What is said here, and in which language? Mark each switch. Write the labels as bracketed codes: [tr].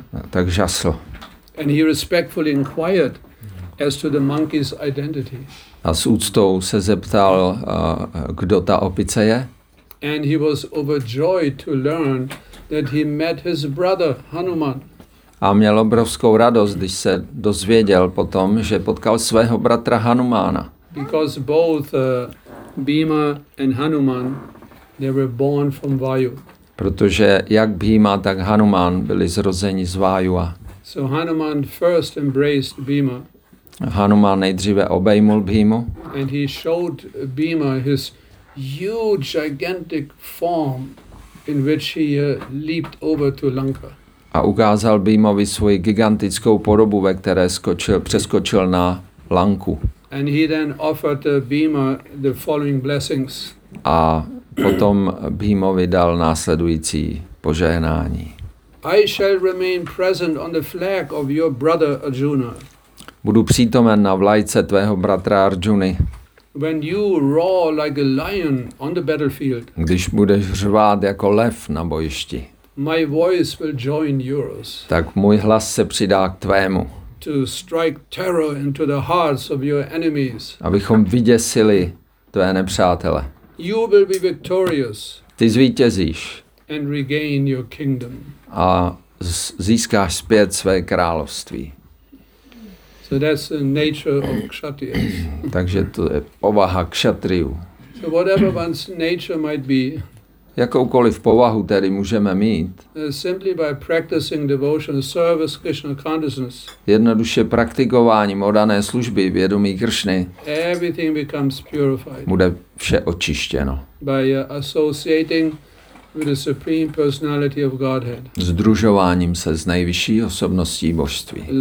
[cs] Tak žasl. [en] And he respectfully inquired as to the monkey's identity. [cs] A s úctou se zeptal, kdo ta opice je. [en] And he was overjoyed to learn that he met his brother Hanuman. [cs] A měl obrovskou radost, když se dozvěděl potom, že potkal svého bratra Hanumana. [en] Because both Bhima and Hanuman, they were born from Vayu. [cs] Protože jak Bhima, tak Hanuman byli zrozeni z Vájua. [en] So Hanuman first embraced Bhima. [cs] Hanuman nejdříve obejmul Bhimu. [en] And he showed Bhima his huge, gigantic form in which he leaped over to Lanka. [cs] a ukázal Bhimovi svoji gigantickou podobu, ve které skočil, přeskočil na lanku. [en] And he then offered Bhima the following blessings. [cs] A potom Bhimovi dal následující požehnání. [en] I shall remain present on the flag of your brother Arjuna. [cs] Budu přítomen na vlajce tvého bratra Arjuny. [en] When you roar like a lion on the battlefield. [cs] Když budeš řvát jako lev na bojišti. [en] My voice will join yours. [cs] Tak můj hlas se přidá k tvému. [en] To strike terror into the hearts of your enemies. [cs] Abychom vyděsili tvé nepřátele. [en] You will be victorious. [cs] Ty zvítězíš. [en] And regain your kingdom. [cs] A získáš zpět své království. [en] So that's the nature of kshatriyas. [cs] Takže to je povaha kšatriů. [en] So whatever one's nature might be. [cs] Jakoukoliv povahu tedy můžeme mít. [en] Simply by practicing devotion service Krishna consciousness. [cs] Jednoduše praktikováním oddané služby vědomí Kršny. [en] Everything becomes purified. [cs] Bude vše očištěno. [en] By associating with the supreme personality of Godhead. [cs] Združováním se s nejvyšší osobností božství.